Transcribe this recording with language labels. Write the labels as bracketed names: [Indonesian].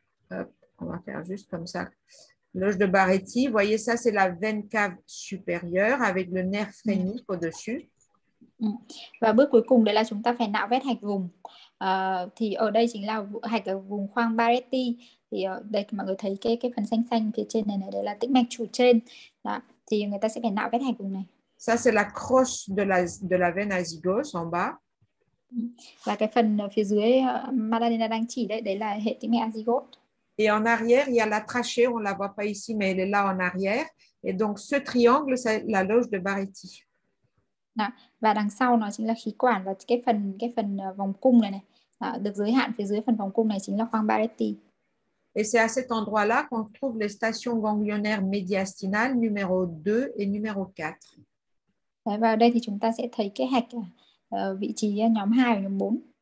[French] Hop, on va faire juste comme ça. Loge de Barretti, vous voyez ça, c'est la veine cave supérieure avec le nerf phrénique au-dessus. [Vietnamese] Và bước cuối cùng đấy là chúng ta phải nạo vét hạch vùng. Thì ở đây chính là hạch ở vùng khoang Barretti. Thì đây mọi người thấy cái phần xanh xanh phía trên này này, đấy là tĩnh mạch chủ trên. Đó, thì người ta sẽ phải nạo vét hạch vùng này. [French] Ça c'est la crosse de la veine azygos en bas. [Vietnamese] Và cái phần phía dưới Madalena đang chỉ đấy là hệ tĩnh mạch azygos. [French] Et en arrière, il y a la trachée, on ne la voit pas ici, mais elle est là en arrière. Et donc, ce triangle, c'est la loge de Barretti. [Vietnamese] Đó, và đằng sau, nó chính là khí quản và cái phần vòng cung này này. Đó, được giới hạn phía dưới phần vòng cung này chính là khoang Barretti. [French] Et c'est à cet endroit-là qu'on trouve les stations ganglionnaires médiastinales numéro 2 et numéro 4. [Vietnamese] Đấy, và ở đây thì chúng ta sẽ thấy cái hạch vị trí nhóm 2 và nhóm 4.